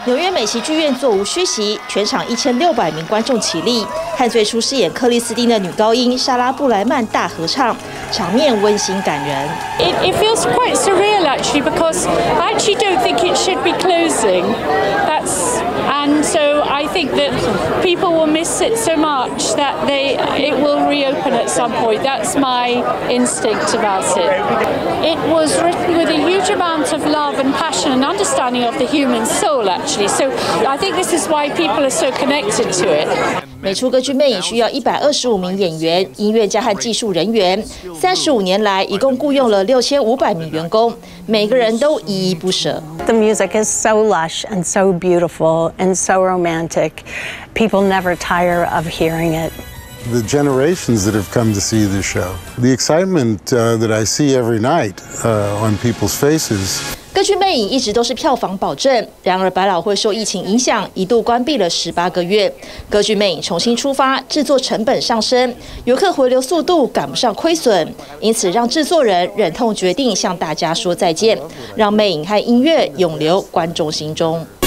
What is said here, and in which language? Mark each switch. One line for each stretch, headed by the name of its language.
Chinese: 美琪剧院座无虚席，全场1600名观众起立，和最初饰演克里斯汀的女高音莎拉布莱曼大合唱，场面温馨感人。
English: It feels quite surreal actually because I actually don't think it should be closing. That's and so I think that people will miss it so much that it will reopen at some point. That's my instinct about it. It was written with a huge amount of love and passion and understanding of the human soul actually. So, I think this is why people are so connected to it.
Chinese: 每出歌剧魅影需要125名演员、音乐家和技术人员。 35年来，一共雇佣了6500名员工，每个人都依依不舍。
English: The music is so lush and so beautiful and so romantic. People never tire of hearing it. The generations that have come to see this show, the excitement that I see every night on people's faces.
Chinese: 歌剧魅影一直都是票房保证，然而百老汇受疫情影响，一度关闭了18个月。歌剧魅影重新出发，制作成本上升，游客回流速度赶不上亏损，因此让制作人忍痛决定向大家说再见，让魅影和音乐永留观众心中。